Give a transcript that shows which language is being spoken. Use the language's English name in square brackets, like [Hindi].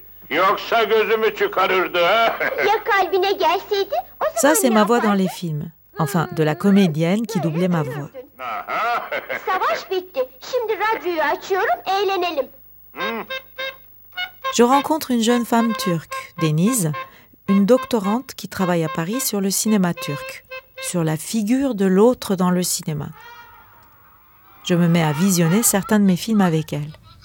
[Turkish] Yoksa gözümü çıkarırdı, ya kalbine gelseydi, o zaman [French] ça, c'est ma voix dans les films. Enfin, de la comédienne qui doublait ma voix. [Turkish] Savaş bitti. Şimdi radyoyu açıyorum, eğlenelim. [French] Je rencontre une jeune femme turque, Denise, une doctorante qui travaille à Paris sur le cinéma turc, sur la figure de l'autre dans le cinéma. Je me mets à visionner certains de mes films avec elle.